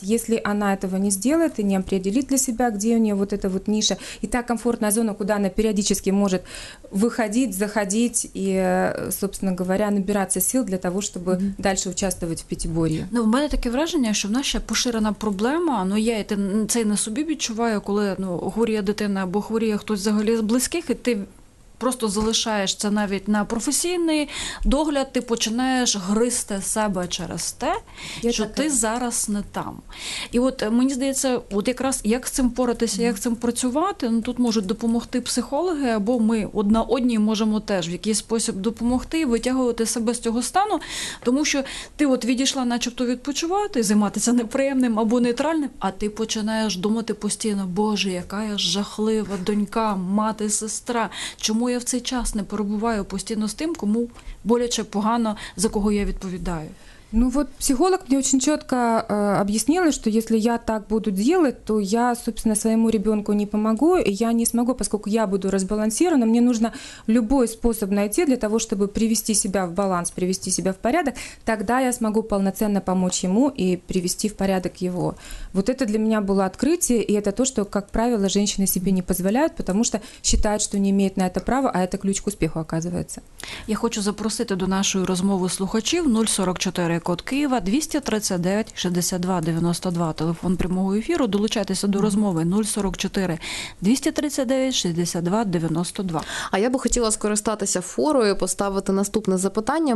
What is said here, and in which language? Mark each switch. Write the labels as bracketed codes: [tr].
[ru] Если она этого не сделает и не определит для себя, где у нее вот эта вот ниша и та комфортная зона, куда она периодически может выходить, заходить и, собственно говоря, набираться сил для того, чтобы дальше участвовать в пятиборье. Ну, у меня такое впечатление, что в нашей [uk] поширена проблема. Ну, я це на собі відчуваю, коли хворіє дитина або хворіє хтось взагалі з близьких, і ти просто залишаєш це навіть на професійний догляд, ти починаєш гризти себе через те, я що така. Ти зараз не там. І от мені здається, от якраз як з цим поратися, як з цим працювати, ну тут можуть допомогти психологи, або ми одна одній можемо теж в якийсь спосіб допомогти, витягувати себе з цього стану, тому що ти от відійшла начебто відпочивати, займатися неприємним або нейтральним, а ти починаєш думати постійно, Боже, яка я жахлива донька, мати, сестра, чому я в цей час не перебуваю постійно з тим, кому боляче, погано, за кого я відповідаю. [ru] Ну вот психолог мне очень четко объяснила, что если я так буду делать, то я, собственно, своему ребенку не помогу, и я не смогу, поскольку я буду разбалансирована, мне нужно любой способ найти для того, чтобы привести себя в баланс, привести себя в порядок, тогда я смогу полноценно помочь ему и привести в порядок его. Вот это для меня было открытие, и это то, что, как правило, женщины себе не позволяют, потому что считают, что не имеют на это права, а это ключ к успеху оказывается. [uk] Я хочу запросить до нашей розмови слухачів 044. Код Києва 239-62-92. Телефон прямого ефіру. Долучайтеся до розмови 044-239-62-92. А я би хотіла скористатися форою, поставити наступне запитання.